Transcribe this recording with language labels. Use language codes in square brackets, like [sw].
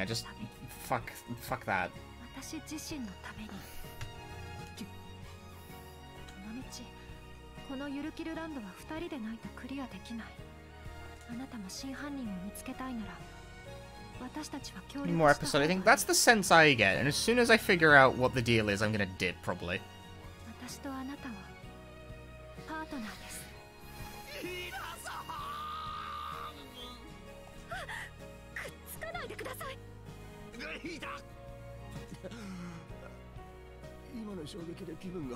[en] I just fuck that. [ja] 私自身のために。この道、このゆるキルランドは二人でないとクリアできない。あなたも真犯人を見つけたいなら、私たちは協力した。 [en] More episode. I think that's the sense I get. And as soon as I figure out what the deal is, I'm gonna dip probably. [ja] 私とあなたはパートナーです。リナさん、くっつかないでください。リナ、今の衝撃で気分が、